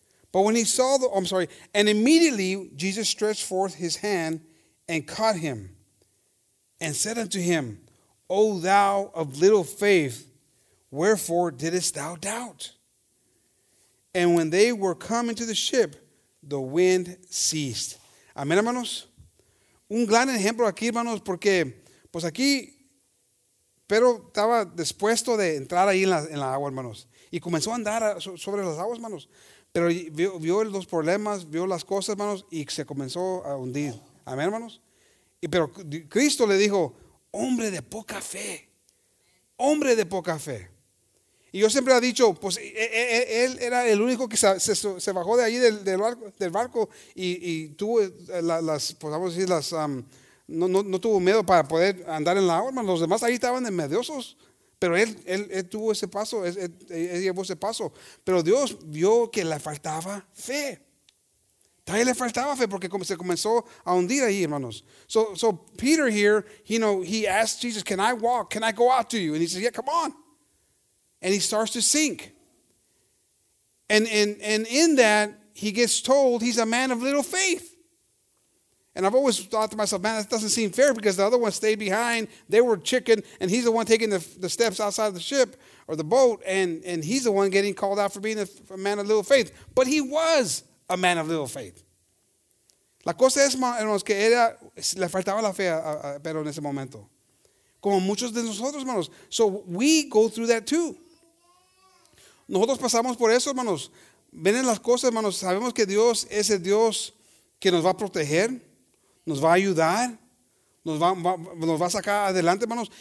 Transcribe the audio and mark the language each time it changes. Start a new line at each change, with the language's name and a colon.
English: But when he saw and immediately Jesus stretched forth his hand and caught him and said unto him, O thou of little faith, wherefore didst thou doubt? And when they were come into the ship, the wind ceased.
Spanish: Amén, hermanos. Un gran ejemplo aquí, hermanos, porque pues aquí Pedro estaba dispuesto de entrar ahí en la agua, hermanos, y comenzó a andar sobre las aguas, hermanos. Pero vio los problemas, vio las cosas, hermanos, y se comenzó a hundir. Amén, hermanos. Y pero Cristo le dijo, hombre de poca fe. Hombre de poca fe. Y yo siempre ha dicho, pues él era el único que se bajó de ahí del barco y tuvo las, pues vamos a decir, las, no tuvo miedo para poder andar en la agua, hermano. Los demás ahí estaban de mediosos, pero él tuvo ese paso, él llevó ese paso. Pero Dios vio que le faltaba fe. También le faltaba fe porque se comenzó a hundir ahí, hermanos.
English: So Peter here, you know, he asked Jesus, "Can I walk? Can I go out to you?" And he says, "Yeah, come on." And he starts to sink. And in that, he gets told he's a man of little faith. And I've always thought to myself, man, that doesn't seem fair because the other one stayed behind. They were chicken, and he's the one taking the steps outside of the ship or the boat, and he's the one getting called out for being a man of little faith. But he was a man of little faith.
Spanish: La cosa es, hermanos, que era, le faltaba la fe a Pedro en ese momento. Como muchos de nosotros, hermanos.
English: So we go through that too.
Spanish: Nosotros pasamos por eso, hermanos. Ven en las cosas, hermanos. Sabemos que Dios es el Dios que nos va a proteger, nos va a ayudar, nos va a sacar adelante, hermanos.